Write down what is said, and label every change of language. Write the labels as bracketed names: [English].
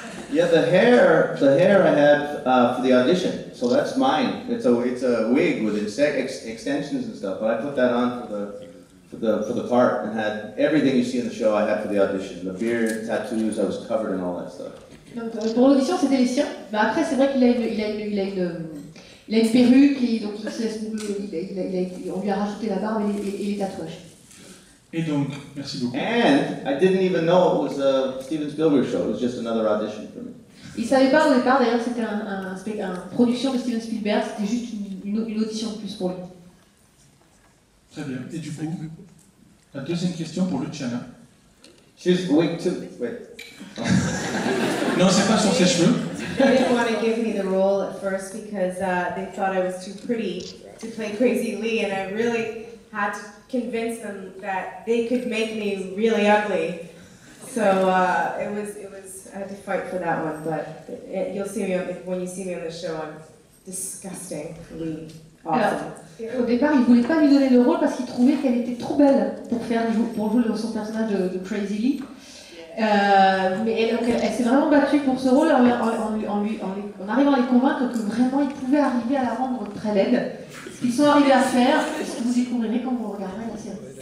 [English] yeah, the hair I had for the audition, so that's mine. It's a wig with extensions and stuff. But I put that on for the part and had everything you see in the show. I had for the audition, the beard, tattoos. I was covered in all that stuff. [French] Donc, pour l'audition, c'était les siens. Mais après, c'est vrai qu'il a une perruque et donc on lui a rajouté la barbe et les tatouages. Et donc, merci beaucoup. [English] And I didn't even know it was a Steven Spielberg show. It was just another audition for me. [French] Il savait pas au départ. D'ailleurs, c'était une production de Steven Spielberg. C'était juste une audition de plus pour lui. Très bien. Et du coup, la deuxième question pour Luciana. [English] She's wig too. Wait. [French] Non, c'est pas sur ses cheveux. [English] They didn't want to give me the role at first because they thought I was too pretty to play Crazy Lee, and I really had to convince them that they could make me really ugly. So it was. I had to fight for that one, but when you see me on the show, I'm disgustingly awesome. [French] Au départ, ils voulaient pas lui donner le rôle parce qu'ils trouvaient qu'elle était trop belle pour jouer dans son personnage de Crazy Lee. Mais donc, elle s'est vraiment battue pour ce rôle en arrivant à les convaincre que vraiment ils pouvaient arriver à la rendre très laide. Ils sont arrivés à faire ce que vous découvrirez quand vous regarderez la série.